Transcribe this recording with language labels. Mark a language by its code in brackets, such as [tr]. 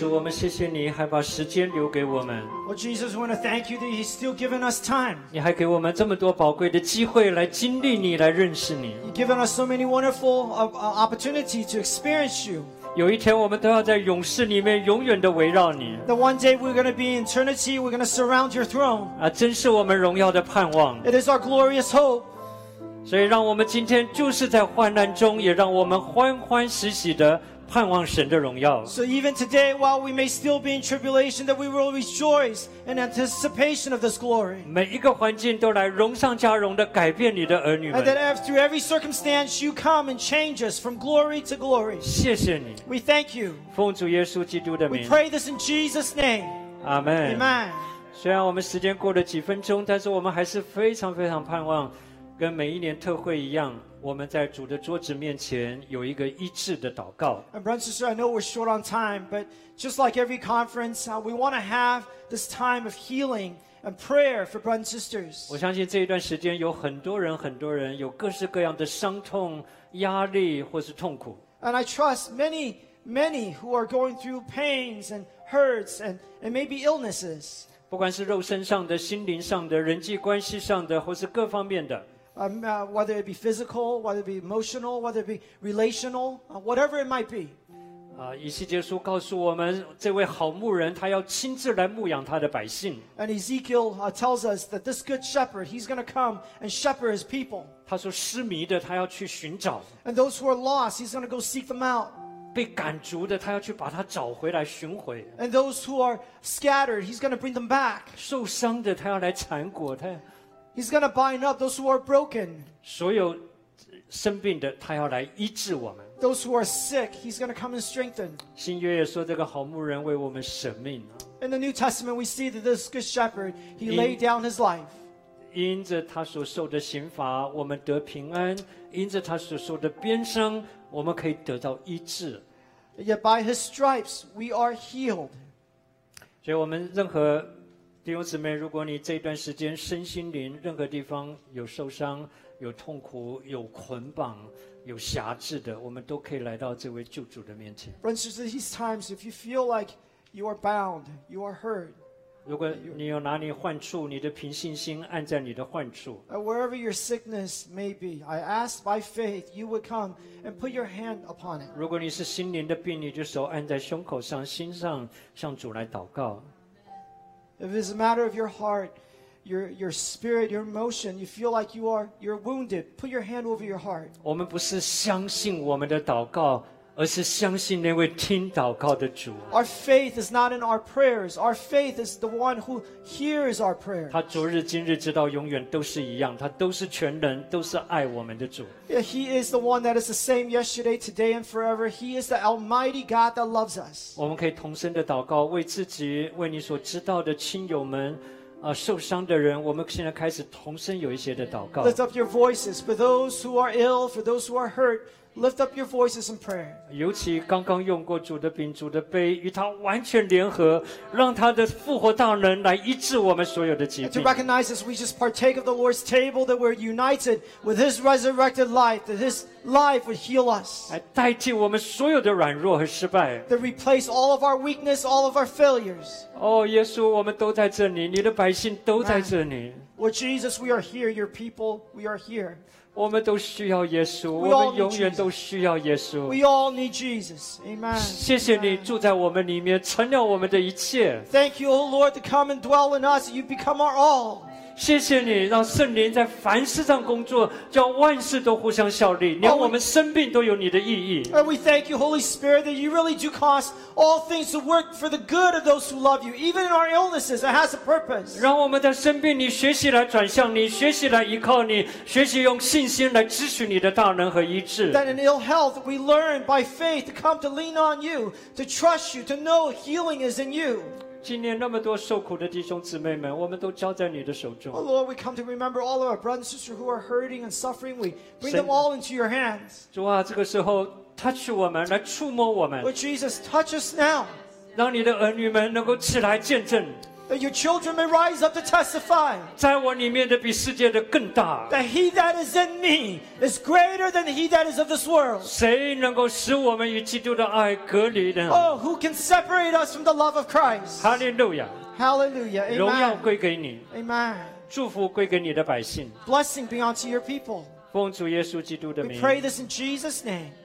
[zh] 谢谢你还把时间留给我们。 [en] Well, Jesus, we want to thank you that He's still given us time. [zh] 你还给我们这么多宝贵的机会来经历你，来认识你。 [en] You've given us so many wonderful opportunities to experience you. [zh] 有一天我们都要在永世里面永远的围绕你。 [en] The one day we're going to be in eternity, we're going to surround your throne. [zh] 啊，真是我们荣耀的盼望。 [en] It is our glorious hope. [zh] 所以让我们今天就是在患难中，也让我们欢欢喜喜的。盼望神的荣耀。 [en] So even today, while we may still be in tribulation, that we will rejoice in anticipation of this glory. [zh] 每一个环境都来荣上加荣的改变你的儿女们。 [en] And that through every circumstance, you come and change us from glory to glory. [zh] 谢谢你。 [en] We thank you. [zh] 奉主耶稣基督的名。 [en] We pray this in Jesus' name. Amen. Amen. [zh] 虽然我们时间过了几分钟，但是我们还是非常非常盼望，跟每一年特会一样。我们在主的桌子面前有一个一致的祷告。 [en] And brothers and sisters, I know we're short on time, but just like every conference, we want to have this time of healing and prayer for brothers and sisters. [zh] 我相信这一段时间有很多人，很多人有各式各样的伤痛、压力或是痛苦。 [en] And I trust many, many who are going through pains and hurts and maybe illnesses. [zh] 不管是肉身上的、心灵上的、人际关系上的，或是各方面的。 [en] whether it be physical, whether it be emotional, whether it be relational, whatever it might be. [zh] 以西结书告诉我们，这位好牧人他要亲自来牧养他的百姓。 [en] And Ezekiel tells us that this good shepherd, he's going to come and shepherd his people. [zh] 他说失迷的他要去寻找。 [en] And those who are lost, he's going to go seek them out. [zh] 被赶逐的他要去把他找回来寻回。 [en] And those who are scattered, he's going to bring them back. [zh] 受伤的他要来缠裹他。 [en] He's going to bind up those who are broken. [zh] 所有生病的他要来医治我们。 [en] Those who are sick, he's going to come and strengthen. [zh] 新约也说这个好牧人为我们舍命。 [en] In the New Testament, we see that this good shepherd, he laid down his life. [zh] 因着他所受的刑罚，我们得平安；因着他所受的鞭伤，我们可以得到医治。 [en] Yet by his stripes, we are healed. [zh] 所以我们任何弟兄姊妹，如果你这段时间身心灵任何地方有受伤、有痛苦、有捆绑、有瑕疵的，我们都可以来到这位救主的面前。 [en] Friends, at these times, if you feel like you are bound, you are hurt. [zh] 如果你有哪里患处，你的凭信心按在你的患处。 [en] Wherever your sickness may be, I ask by faith you would come and put your hand upon it. [zh] 如果你是心灵的病，你就手按在胸口上、心上，向主来祷告。 [en] If it's a matter of your heart, your spirit, your emotion, you feel like you're wounded, put your hand over your heart. [zh] 我们不是相信我们的祷告，而是相信那位听祷告的主。 [en] Our faith is not in our prayers. Our faith is the one who hears our prayers. [zh] 他昨日、今日、直到永远都是一样，他都是全能，都是爱我们的主。 [en] Yeah, he is the one that is the same yesterday, today, and forever. He is the Almighty God that loves us. [zh] 我们可以同声的祷告，为自己、为你所知道的亲友们。受伤的人，我们现在开始同声有一些的祷告。 [en] Lift up your voices for those who are ill, for those who are hurt. Lift up your voices in prayer. [zh] 尤其刚刚用过主的饼、主的杯，与他完全联合，让他的复活大能来医治我们所有的疾病。 [en] And to recognize as we just partake of the Lord's table that we're united with His resurrected life, that His life would heal us. [zh] 来代替我们所有的软弱和失败。 [en] To replace all of our weakness, all of our failures. [zh] 哦，耶稣，我们都在这里，你的百姓都在这里。 [en] Lord Jesus, we are here. Your people, we are here. [zh] 我们都需要耶稣，我们永远都需要耶稣。 [en] We all need Jesus. Amen. [zh] 谢谢你住在我们里面，成了我们的一切。 [en] Thank you, O Lord, to come and dwell in us. You become our all. [zh] 谢谢你让圣灵在凡事上工作，叫万事都互相效力，连我们生病都有你的意义。 [en] And we thank you, Holy Spirit, that you really do cause all things to work for the good of those who love you. Even in our illnesses, it has a purpose. [zh] 让我们在生病，你学习来转向你，学习来依靠你，学习用信心来支取你的大能和医治。 [en] That in ill health, we learn by faith to come to lean on you, to trust you, to know healing is in you. [zh] 今年那么多受苦的弟兄姊妹们，我们都交在你的手中。 [en] Oh Lord, we come to remember all of our brothers and sisters who are hurting and suffering. We bring them all into your hands. [zh] 主啊，这个时候 touch 我们，来触摸我们。 [en] Lord Jesus, touch us now. [zh] 让你的儿女们能够起来见证。 [en] That your children may rise up to testify. [zh] 在我里面的比世界的更大。 [en] That he that is in me is greater than he that is of this world. [zh] 谁能够使我们与基督的爱隔离呢？ [en] Oh, who can separate us from the love of Christ? Hallelujah. Hallelujah. Amen. [zh] 荣耀归给你。 [en] Amen. [zh] 祝福归给你的百姓。 [en] Blessing be unto your people. [zh] 奉主耶稣基督的名。 [en] We pray this in Jesus' name.